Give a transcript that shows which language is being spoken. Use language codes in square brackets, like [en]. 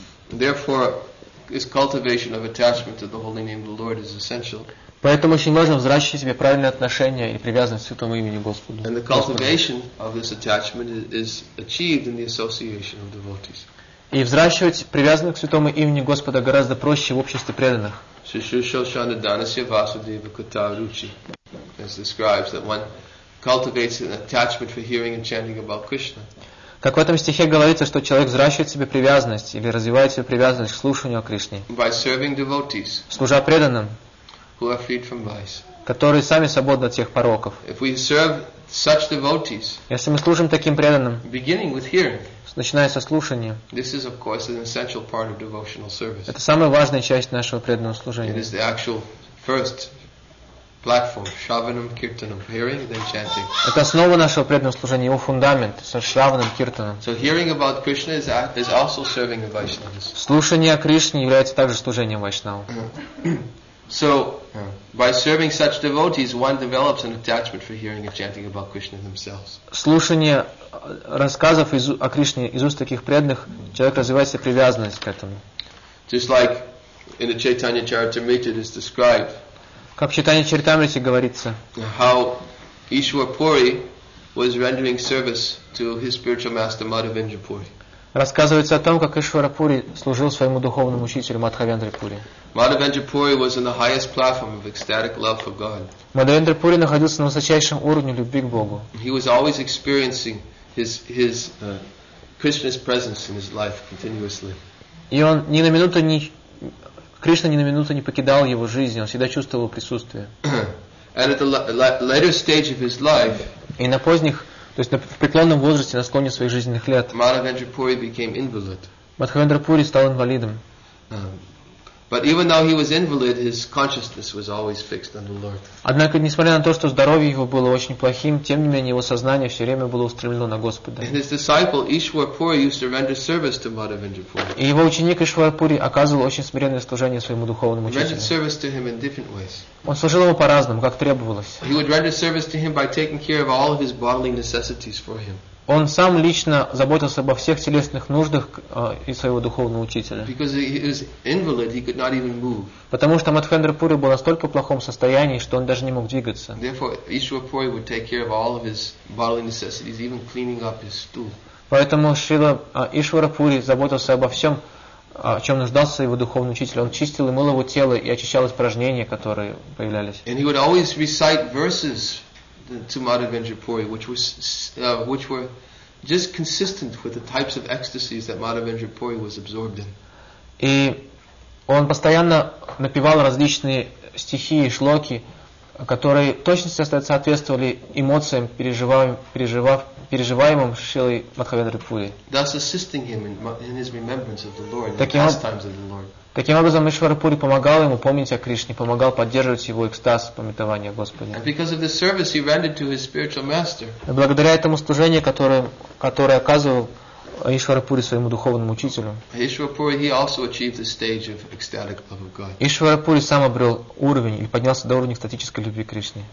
[en] Therefore, is cultivation of attachment to the holy name of the Lord is essential. [ru] Поэтому очень важно взращивать себе правильное отношение и привязанность к святому имени Господу. [en] And the cultivation of this attachment is achieved in the association of devotees. [ru] И взращивать привязанность к святому имени Господа гораздо проще в обществе преданных. [sa] Шишушоршана данасья васудева катаручи, [en] as describes that one cultivates an attachment for hearing and chanting about Krishna. [ru] Как в этом стихе говорится, что человек взращивает в себе привязанность или развивает в себе привязанность к слушанию о Кришне. [en] By serving devotees, [ru] служа преданным, [en] who are freed from vice. [ru] Которые сами свободны от всех пороков. [en] If we serve such devotees, [ru] если мы служим таким преданным, [en] beginning with hearing, [ru] начиная со слушания, [en] this is, of course, an essential part of devotional service. [ru] Это самая важная часть нашего преданного служения. [en] It is the actual first platform, shravanam, kirtanam, hearing, then chanting. [ru] Это основа нашего преданного служения, его фундамент, со шравнам, киртанам. [en] So hearing about Krishna is also serving the Vaishnavas. [ru] Слушание о Кришне является также служением вайшнавам. [en] So, by serving such devotees, one develops an attachment for hearing and chanting about Krishna themselves. [ru] Слушание рассказов о Кришне из уст таких преданных, человек развивает себе привязанность к этому. [en] Just like in the Chaitanya Charitamrita, it is described. [ru] Как в Чайтанья Чаритамрите говорится, [en] how Ishwar Puri was rendering service to his spiritual master Madhavendra Puri. [ru] Рассказывается о том, как Ишвара Пури служил своему духовному учителю Мадхавендра Пури. [en] Madhavendra Puri was on the highest platform of ecstatic love for God. [ru] Мадхавендра Пури находился на высочайшем уровне любви к Богу. [en] He was always experiencing his Krishna's presence in his life continuously. [ru] И он ни на минуту не Кришна ни на минуту не покидал его жизни, он всегда чувствовал присутствие. [en] And at the later stage of his life, [ru] и на поздних, то есть в преклонном возрасте, на склоне своих жизненных лет, [en] Madhavendra Puri became invalid. [ru] Мадхавендра Пури стал инвалидом. [en] But even though he was invalid, his consciousness was always fixed on the Lord. [ru] Однако, несмотря на то, что здоровье его было очень плохим, тем не менее его сознание все время было устремлено на Господа. [en] And his disciple Ishwar Puri used to render service to Madhavendra Puri. [ru] И его ученик Ишвар Пури оказывал очень смиренное служение своему духовному учителю. [en] Rendered service to him in different ways. [ru] Он служил ему по-разному, как требовалось. [en] He would render service to him by taking care of all of his bodily necessities for him. [ru] Он сам лично заботился обо всех телесных нуждах и своего духовного учителя. [en] Because he was invalid, he could not even move. [ru] Потому что Мадхавендра Пури был настолько в плохом состоянии, что он даже не мог двигаться. [en] Therefore, Ishwar Puri would take care of all of his bodily necessities, even cleaning up his stool. [ru] Поэтому Шрила Ишвара Пури заботился обо всем, о чем нуждался его духовный учитель. Он чистил и мыл его тело и очищал испражнения, которые появлялись. [en] And he would always recite verses to Madhavendra Puri, which were just consistent with the types of ecstasies that Madhavendra Puri was absorbed in. [ru] И он постоянно напевал различные стихи и шлоки, которые точно соответствовали эмоциям, переживаемым Шрилой Мадхавендрой Пури. [en] Thus assisting him in his remembrance of the Lord, the pastimes of the Lord. [ru] Таким образом, Ишвара Пури помогал ему помнить о Кришне, помогал поддерживать его экстаз, памятование о Господе. И благодаря этому служению, которое оказывал Ишвара Пури своему духовному учителю, Ишвара Пури сам обрел уровень или поднялся до уровня экстатической любви к Кришне.